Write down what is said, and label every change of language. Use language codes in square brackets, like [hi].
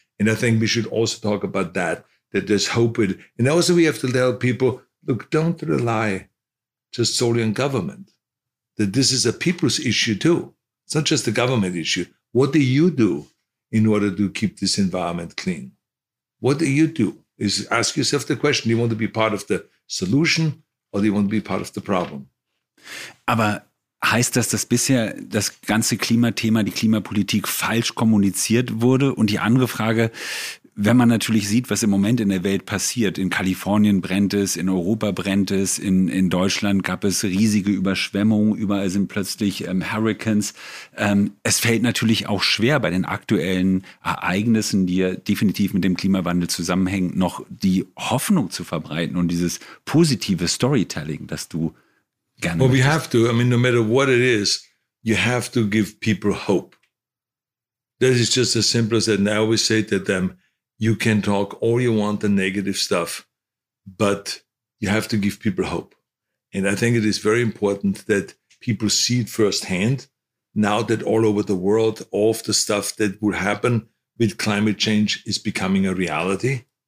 [en] And I think we should also talk about that, that there's hope. And also we have to tell people, look, don't rely just solely on government, that this is a people's issue too. It's not just a government issue. What do you do in order to keep this environment clean? What do you do? Is ask yourself the question, do you want to be part of the solution or do you want to be part of the problem? [de] Aber heißt das, dass bisher das ganze Klimathema, die Klimapolitik falsch kommuniziert wurde? Und die andere Frage, wenn man natürlich sieht, was im Moment in der Welt passiert, in Kalifornien brennt es, in Europa brennt es, in Deutschland gab es riesige Überschwemmungen, überall sind plötzlich Hurricanes. Es fällt natürlich auch schwer, bei den aktuellen Ereignissen, die ja definitiv mit dem Klimawandel zusammenhängen, noch die Hoffnung zu verbreiten und dieses positive Storytelling, das du gerne möchtest. [en] Well, we have to, I mean, no matter what it is, you have to give people hope. That is just as simple as that. And I always say to them, you can talk all you want the negative stuff, but you have to give people hope. And I think it is very important that people see it firsthand now that all over the world, all of the stuff that will happen with climate change is becoming a reality.